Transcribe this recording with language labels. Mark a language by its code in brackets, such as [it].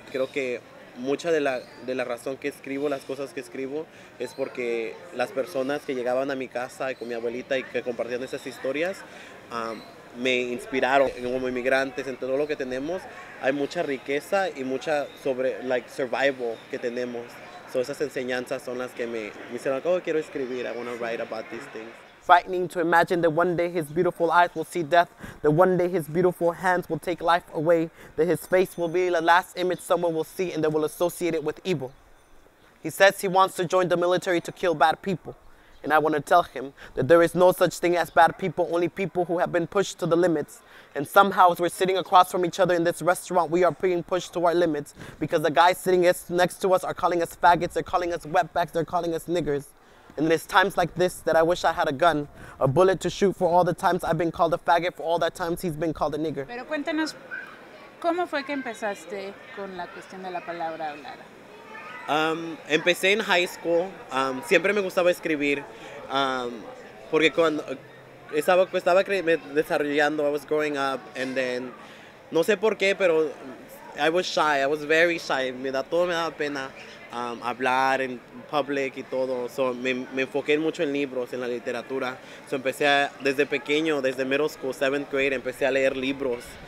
[es] Creo que mucha de la razón que escribo, las cosas que escribo, es porque las personas que llegaban a mi casa y con mi abuelita y que compartían esas historias, me inspiraron como inmigrantes. En todo lo que tenemos hay mucha riqueza y mucha sobre survival que tenemos. So esas enseñanzas son las que me hicieron como quiero escribir. [en] I want to write about these things. Frightening to imagine that one day his beautiful eyes will see death, that one day his beautiful hands will take life away, that his face will be the last image someone will see and that will associate it with evil. He says he wants to join the military to kill bad people. And I want to tell him that there is no such thing as bad people, only people who have been pushed to the limits. And somehow, as we're sitting across from each other in this restaurant, we are being pushed to our limits because the guys sitting next to us are calling us faggots, they're calling us wetbacks, they're calling us niggers. And it's times like this that I wish I had a gun, a bullet to shoot for all the times I've been called a faggot, for all the times he's been called a nigger. [es] Pero cuéntanos, ¿cómo fue que empezaste con la cuestión de la palabra hablada? Empecé en high school, siempre me gustaba escribir, porque cuando estaba desarrollando, [en] I was growing up, [es] and then, no sé por qué, pero [en] I was shy, I was very shy, [es] todo me daba pena hablar en public y todo, so me enfoqué mucho en libros, en la literatura, so empecé desde pequeño, desde [en] middle school, seventh grade, [es] empecé a leer libros.